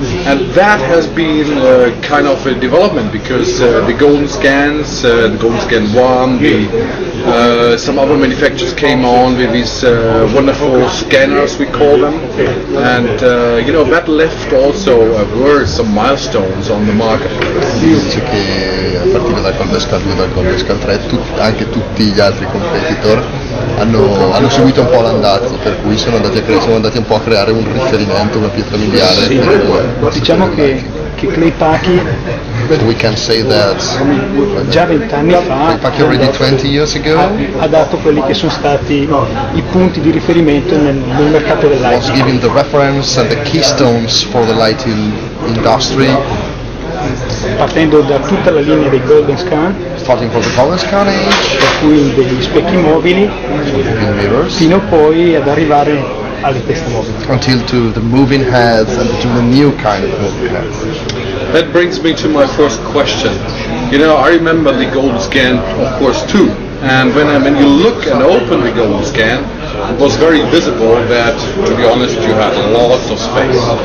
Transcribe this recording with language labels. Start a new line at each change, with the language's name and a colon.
English: And that has been kind of a development, because the Golden Scans, the Golden Scan 1, the, some other manufacturers came on with these wonderful scanners, we call them. And, you know, that left also were some milestones on the market.
Italian: Dice che a partire dal Golden Scan 2, dal Golden Scan 3, anche tutti gli altri competitor hanno seguito un po' l'andazzo, per cui sono andati un po' a creare un riferimento, una pietra miliare. Sì, diciamo che ClayPakyTV,
English: we can say that
Italian: già 20 anni fa,
English: ClayPakyTV already 20 years ago,
Italian: ha dato quelli che sono stati I punti di riferimento nel mercato del lighting.
English: Was giving the reference and the keystones for the lighting industry.
Italian: Partendo da tutta la linea dei Golden Scan,
English: starting from the Golden Scan age,
Italian: per cui degli specchi mobili, fino poi ad arrivare
English: until to the moving heads and to the new kind of moving heads. That brings me to my first question. You know, I remember the Golden Scan, of course, too. And when you look and open the Golden Scan, it was very visible that, to be honest, you had lots of space.